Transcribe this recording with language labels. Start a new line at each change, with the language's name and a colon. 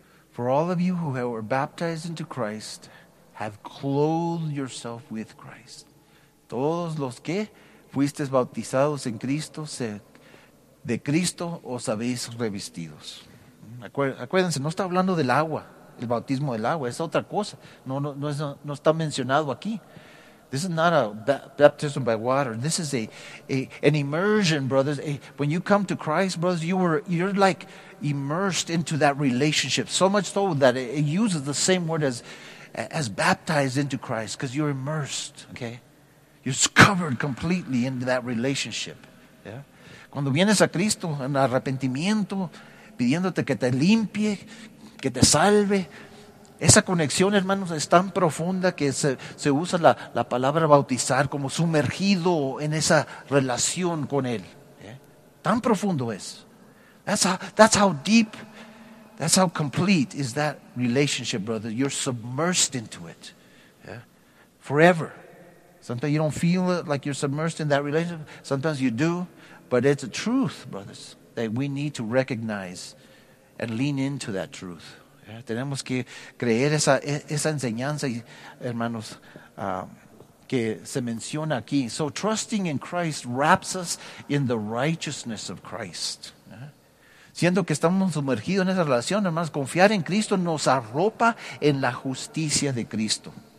English: For all of you who were baptized into Christ, have clothed yourself with Christ.
Spanish: Todos los que fuisteis bautizados en Cristo, de Cristo os habéis revestidos. Acuérdense, no está hablando del agua. El bautismo del agua es otra cosa. No está mencionado aquí.
English: This is not a baptism by water. This is an immersion, brothers. When you come to Christ, brothers, you're like immersed into that relationship. So much so that it uses the same word as baptized into Christ, because you're immersed. Okay, you're covered completely into that relationship. Yeah.
Spanish: Cuando vienes a Cristo en arrepentimiento, pidiéndote que te limpie, que te salve, Esa conexión, hermanos, es tan profunda que se usa la palabra bautizar como sumergido en esa relación con Él. Tan profundo es.
English: That's how complete is that relationship, brother. You're submersed into it. Yeah. Forever. Sometimes you don't feel like you're submersed in that relationship. Sometimes you do. But it's a truth, brothers, that we need to recognize and lean into that truth. Yeah.
Spanish: Tenemos que creer esa enseñanza, hermanos, que se menciona aquí.
English: So trusting in Christ wraps us in the righteousness of Christ.
Spanish: Siendo que estamos sumergidos en esa relación, hermanos, confiar en Cristo nos arropa en la justicia de Cristo.